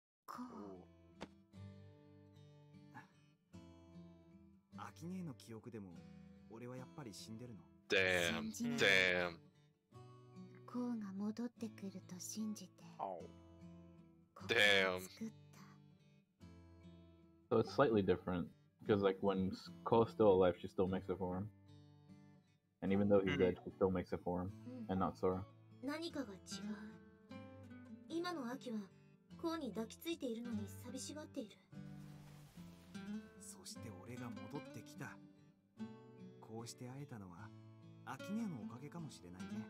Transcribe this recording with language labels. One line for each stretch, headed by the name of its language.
Japanese: こう。アキネの記憶でも俺はやっぱり死んでるの。
English: Damn.
Japanese: コウが戻ってくると信じて。
English: Damn. So it's slightly different, because like when Ko's still alive, she still makes a form, and even though he's dead, she still makes a form, and not Sora.
Japanese: 何かが違う。今のアキはコウに抱きついているのに寂しがっている。そして俺が戻ってきた。こうして会えたのはアキネのおかげかもしれないね。